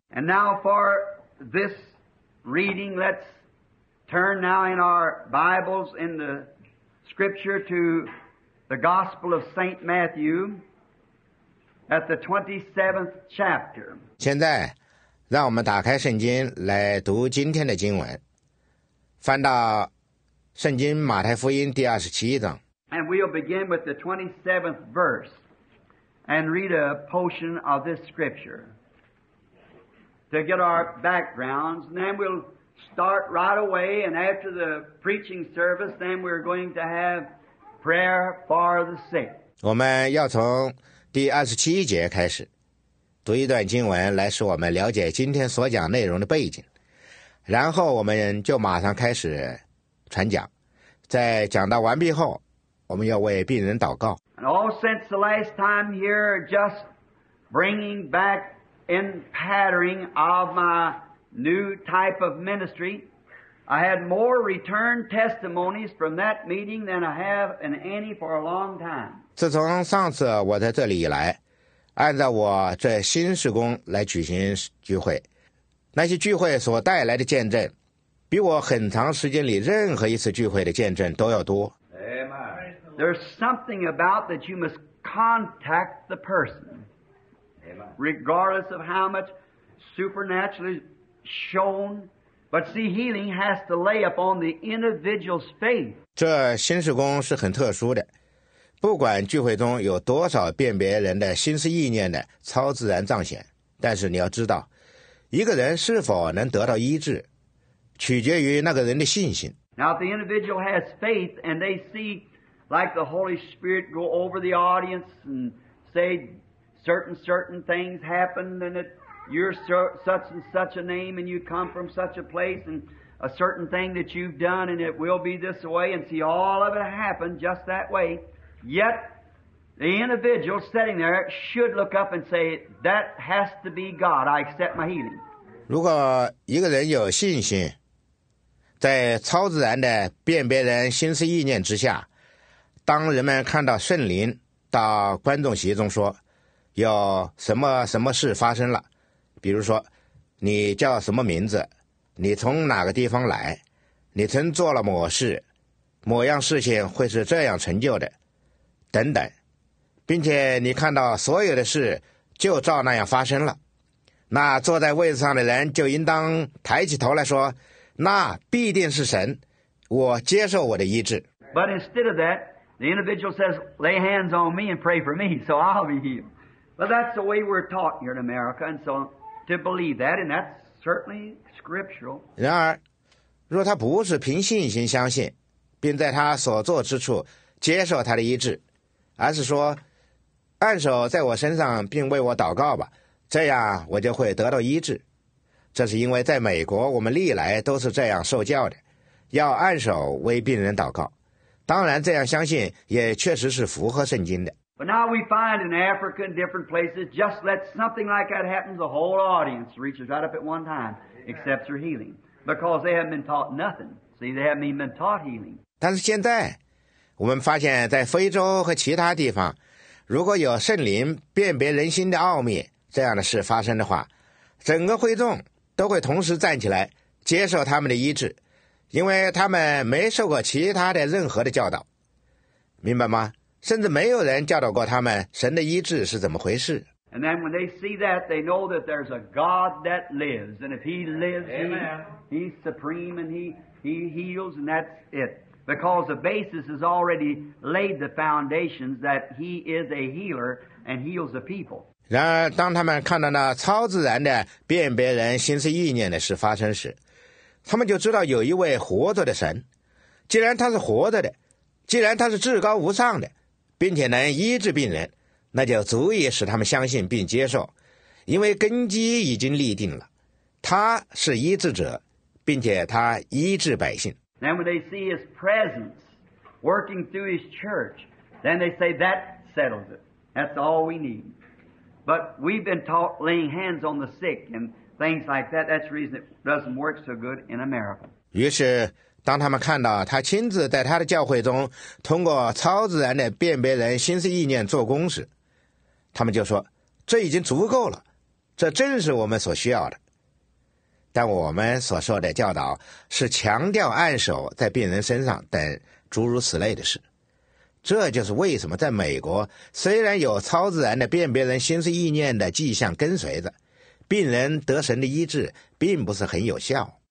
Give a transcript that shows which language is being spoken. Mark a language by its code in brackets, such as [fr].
[en] And now for this reading, let's turn now in our Bibles in the Scripture to the Gospel of Saint Matthew at the 27th chapter. [zh] 现在让我们打开圣经来读今天的经文，翻到圣经马太福音第27章。 [en] And we'll begin with the 27th verse and read a portion of this scripture to get our backgrounds. And then we'll start right away, and after the preaching service, then we're going to have prayer for the sick. [zh] 我们要从第27节开始，读一段经文来使我们了解今天所讲内容的背景，然后我们就马上开始传讲。在讲到完毕后，我们要为病人祷告。 [en] And all since the last time here, just bringing back in pattering of my new type of ministry, I had more return testimonies from that meeting than I have in any for a long time. [zh] 自从上次我在这里以来，按照我这新事工来举行聚会，那些聚会所带来的见证，比我很长时间里任何一次聚会的见证都要多。 [en] There's something about that you must contact the person, regardless of how much supernaturally shown. But see, healing has to lay upon the individual's faith. [zh] 这心事工是很特殊的，不管聚会中有多少辨别人的心思意念的超自然彰显，但是你要知道，一个人是否能得到医治，取决于那个人的信心。 [en] Now, if the individual has faith and they see like the Holy Spirit go over the audience and say certain things happened, and that you're such and such a name and you come from such a place and a certain thing that you've done and it will be this way, and see all of it happen just that way, yet the individual sitting there should look up and say, that has to be God, I accept my healing. [zh] 如果一个人有信心，在超自然的辨别人心思意念之下，当人们看到圣灵到观众席中说有什么什么事发生了，比如说你叫什么名字，你从哪个地方来，你曾做了某事，某样事情会是这样成就的等等，并且你看到所有的事就照那样发生了，那坐在位置上的人就应当抬起头来说，那必定是神，我接受我的医治。 [en] But instead of thatThe individual says, lay hands on me and pray for me, so I'll be healed. But that's the way we're taught here in America, and so to believe that, and that's certainly scriptural. [zh] 然而，若他不是凭信心相信，并在他所做之处接受他的医治，而是说，按手在我身上并为我祷告吧，这样我就会得到医治。这是因为在美国，我们历来都是这样受教的，要按手为病人祷告。当然这样相信也确实是符合圣经的。 [en] But now we find in Africa and different places, just let something like that happen, the whole audience reaches right up at one time, accepts your healing. Because they haven't been taught nothing. See, they haven't even been taught healing. [zh] 但是现在，我们发现在非洲和其他地方，如果有圣灵辨别人心的奥秘这样的事发生的话，整个会众都会同时站起来接受他们的医治。因为他们没受过其他的任何的教导，明白吗？甚至没有人教导过他们神的医治是怎么回事。 [en] And then when they see that, they know that there's a God that lives, and if He lives, He's supreme, and He heals, and that's it. Because the basis is already laid, the foundations that He is a healer, and heals the people. [zh] 然而，当他们看到那超自然的辨别人心思意念的事发生时，他们就知道有一位活着的神。既然他是活着的，既然他是至高无上的，并且能医治病人，那就足以使他们相信并接受，因为根基已经立定了，他是医治者，并且他医治百姓。 [en] Then when they see his presence working through his church, then they say that settles it. That's all we need. But we've been taught laying hands on the sick and things like that. That's the reason it doesn't work so good in America. [zh] 于是，当他们看到他亲自在他的教会中通过超自然的辨别人心思意念做工时，他们就说：“这已经足够了，这正是我们所需要的。” 但我们所说的教导是强调按手在病人身上等诸如此类的事，这就是为什么在美国虽然有超自然的辨别人心思意念的迹象跟随着，病人得神的医治并不是很有效。